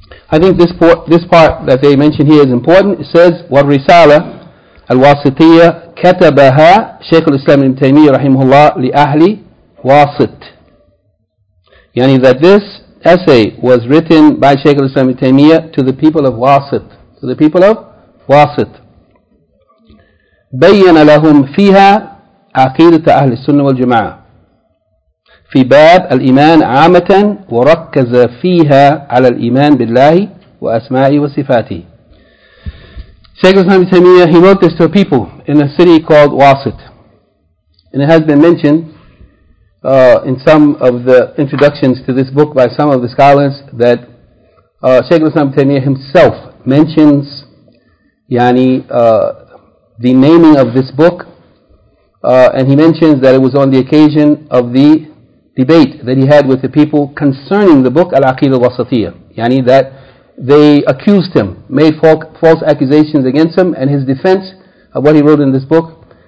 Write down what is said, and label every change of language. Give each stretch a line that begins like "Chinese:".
English: I think this part that they mention here is important. It says,
Arabic: وَالرِسَالَةَ
English: Al-Wasatiyah
Arabic: كَتَبَهَا
English: Shaykh al-Islam ibn Taymiyyah rahimahullah
Arabic: لِأَهْلِ
English: Wasit. That this essay was written by Shaykh al-Islam ibn Taymiyyah to the people of Wasit. To the people of Wasit.
Arabic: بَيَّنَ لَهُمْ فِيهَا عَقِيدَةَ أَهْلِ السُّنَّةِ وَالْجَمَعَةِ فِي بَابَ الْإِيمَانِ عَامَةً وَرَكَّزَ فِيهَا عَلَى الْإِيمَانِ بِاللَّهِ وَأَسْمَائِهِ وَصِفَاتِهِ
English: Shaykh al-Islam ibn Taymiyyah, he wrote this to a people in a city called Wasit. And it has been mentioned in some of the introductions to this book by some of the scholars that Shaykh al-Islam ibn Taymiyyah himself mentions the naming of this book, and he mentions that it was on the occasion of the debate that he had with the people concerning the book Al-Aqidah al-Wasatiyah, that they accused him, made false accusations against him and his defense of what he wrote in this book.